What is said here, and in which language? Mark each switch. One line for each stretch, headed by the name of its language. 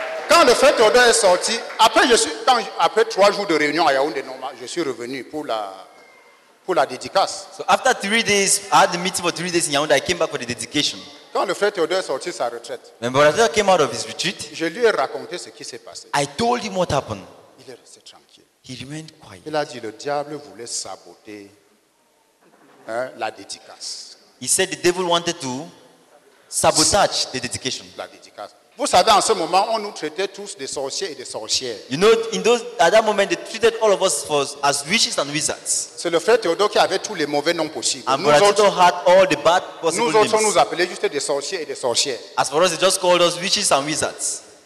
French: Quand le frère Théodore est sorti, après 3 jours de réunion à Yaoundé, je suis revenu pour la dédicace.
English: So after 3 days, I had the meeting for 3 days in Yaoundé. I came back for the dedication.
French: Quand le frère Théodore est sorti de sa retraite,
English: when Brother came out of his retreat,
French: je lui ai raconté ce qui s'est passé.
English: I told him what happened.
French: Il est resté tranquille.
English: He remained quiet.
French: Il a dit le diable voulait saboter la dédicace.
English: He said the devil wanted to sabotage the dedication.
French: La dédicace. Vous savez, en ce moment, on nous traitait tous de sorciers et de sorcières.
English: You know, at that moment, they treated all of us as witches and wizards.
French: C'est le frère Théodore qui avait tous les mauvais noms possibles.
English: And Brother Théodore had all the bad possible
French: nous autres, on nous appelait juste des sorciers et des sorcières.
English: As for us, they just called us witches and wizards.